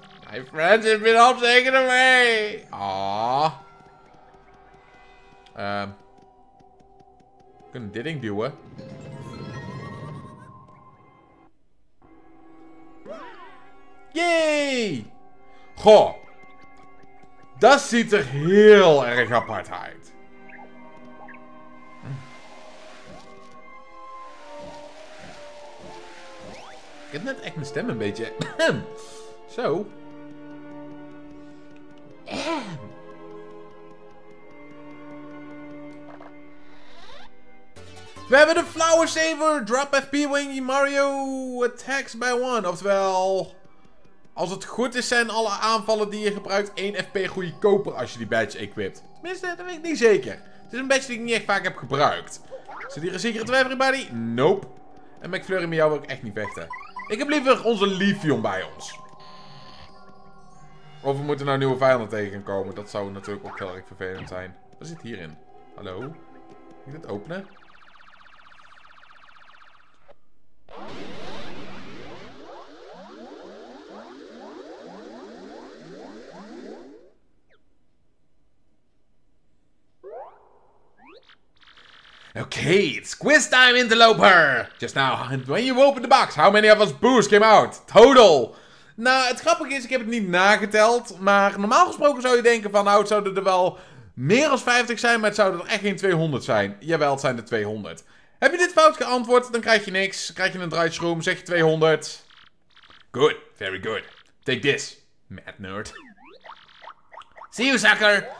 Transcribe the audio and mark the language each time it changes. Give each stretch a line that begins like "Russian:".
English: My friends have been all taken away. Aww.
Dutch: We kunnen dit ding duwen. Yay! Goh. Dat ziet er heel erg apart uit. Ik heb net echt mijn stem een beetje... Zo. We hebben de Flower Saver.
English: Drop FP when Mario attacks by one.
Dutch: Oftewel, als het goed is zijn alle aanvallen die je gebruikt 1 FP goedkoper als je die badge equipt. Tenminste, dat weet ik niet zeker. Het is een badge die ik niet echt vaak heb gebruikt. Zit hier een
English: secret to everybody?
Dutch: Nope. En McFlurry met jou wil ik echt niet vechten. Ik heb liever onze Leafeon bij ons. Of we moeten nou nieuwe vijanden tegenkomen. Dat zou natuurlijk ook heel erg vervelend zijn. Wat zit hierin? Hallo? Kan ik dit openen?
English: Okay, it's quiz time, interloper! Just now, when you opened the box, how many of us boos came out? Total!
Dutch: Nou, het grappige is, ik heb het niet nageteld, maar normaal gesproken zou je denken van, nou, het zouden er wel meer dan 50 zijn, maar het zouden er echt geen 200 zijn. Jawel, het zijn er 200. Heb je dit fout geantwoord, dan krijg je niks. Krijg je een dry shroom, zeg je 200.
English: Good, very good. Take this, mad nerd. See you, sucker!